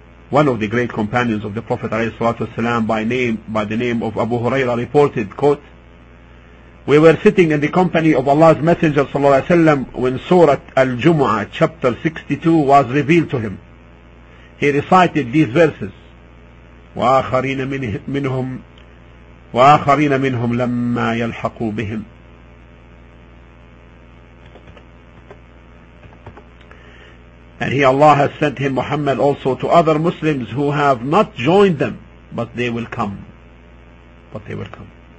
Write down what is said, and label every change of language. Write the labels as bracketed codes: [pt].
[en] One of the great companions of the Prophet ﷺ by the name of Abu Huraira reported, quote, "We were sitting in the company of Allah's Messenger ﷺ when Surah Al-Jumu'ah chapter 62 was revealed to him. He recited these verses, [ar] 'وآخرين منهم وآخرين منهم لما يلحقوا بهم.' [en] And he, Allah, has sent him Muhammad also to other Muslims who have not joined them, but they will come. But they will come."